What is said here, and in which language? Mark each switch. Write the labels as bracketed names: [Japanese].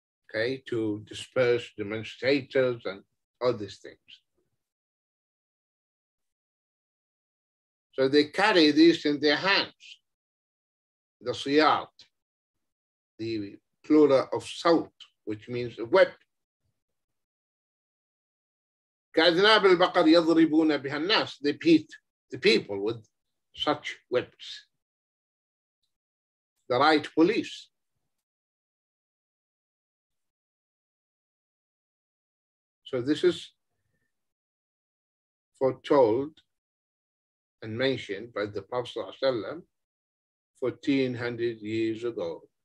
[English] Okay, to disperse demonstrators and all these things. So they carry these in their hands, the siyat, the plural of saut, which means a whip. [Arabic] كأذناب البقر يضربون بها الناس. [English] They beat the people with such whips. The right police. So this is foretold and mentioned by the Prophet ﷺ 1400 years ago.